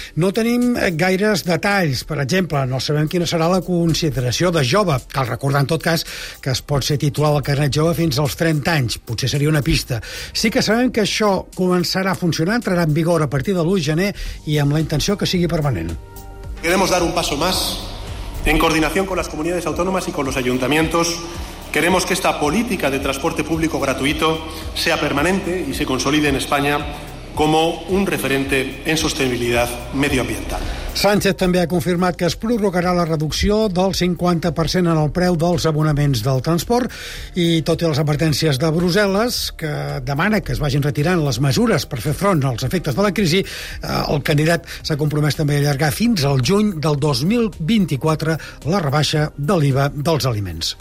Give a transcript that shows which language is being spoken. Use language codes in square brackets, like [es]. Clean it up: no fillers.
[ca] No tenim gaires detalls. Per exemple, no sabem quina serà la consideració de jove. Cal recordar, en tot cas, que es pot ser titular del carnet jove fins als 30 anys. Potser seria una pista. Sí que sabem que això començarà a funcionar, entrarà en vigor a partir de l'1 de gener, i amb la intenció que sigui permanent. [es] Queremos dar un paso más en coordinación con las comunidades autónomas y con los ayuntamientos. Queremos que esta política de transporte público gratuito sea permanente y se consolide en España como un referente en sostenibilidad medioambiental. [ca] Sánchez també ha confirmat que es prorrogarà la reducció del 50% en el preu dels abonaments del transport i, tot i les advertències de Brussel·les, que demana que es vagin retirant les mesures per fer front als efectes de la crisi, el candidat s'ha compromès també a allargar fins al juny del 2024 la rebaixa de l'IVA dels aliments.